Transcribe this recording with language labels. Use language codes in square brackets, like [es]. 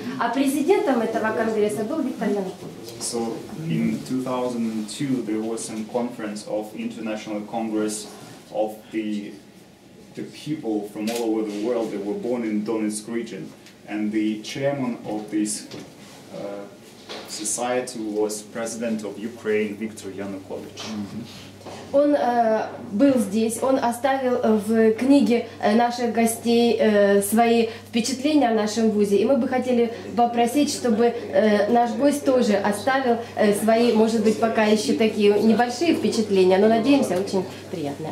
[ru] А президентом этого конгресса был Виктор Янукович. [en] So in 2002 there was some conference of international congress of the people from all over the world that were born in Donetsk region, and the chairman of this society was president of Ukraine, Viktor Yanukovych. [ru] Он был здесь, он оставил в книге наших гостей свои впечатления о нашем вузе. И мы бы хотели попросить, чтобы наш гость тоже оставил свои, может быть, пока еще такие небольшие впечатления, но надеемся, очень приятные.